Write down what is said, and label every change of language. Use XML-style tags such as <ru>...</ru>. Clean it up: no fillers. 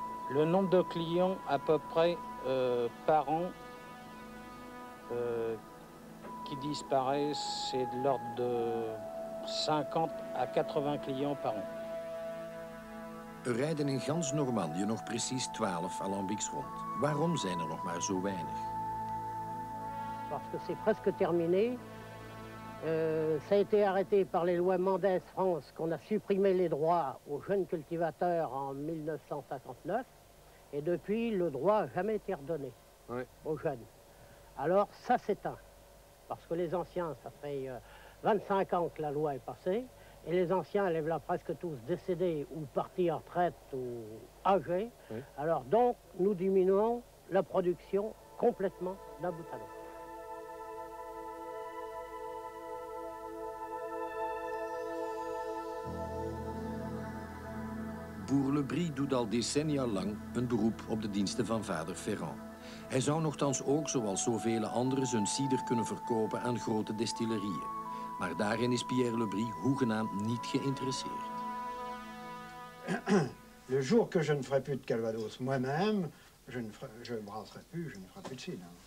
<fr>Le nombre de clients à peu près par an qui disparaît, c'est de l'ordre de 50 à 80 clients par an.</fr> <nl>Er rijden in gans Normandië nog precies 12 alambics rond. Waarom zijn er nog maar zo weinig?</nl> <fr>Parce que c'est presque terminé. Ça a été arrêté par les lois Mendès France qu'on a supprimé les droits aux jeunes cultivateurs en 1959. Et depuis, le droit n'a jamais été redonné, oui, aux jeunes. Alors ça s'éteint. Parce que les anciens, ça fait 25 ans que la loi est passée. Et les anciens élèvent là presque tous décédés ou partis en retraite ou âgés. Oui. Alors donc, nous diminuons la production complètement d'un bout à l'autre.</fr> <nl>Bourlebrie doet al decennia lang een beroep op de diensten van vader Ferrand. Hij zou nochtans ook, zoals zoveel anderen, zijn cider kunnen verkopen aan grote destillerieën. Maar daarin is Pierre Lebrie hoegenaamd niet geïnteresseerd.</nl> <fr>Le jour que je ne ferai plus de Calvados moi-même, je ne brasserai plus, je ne ferai plus de cider.</fr>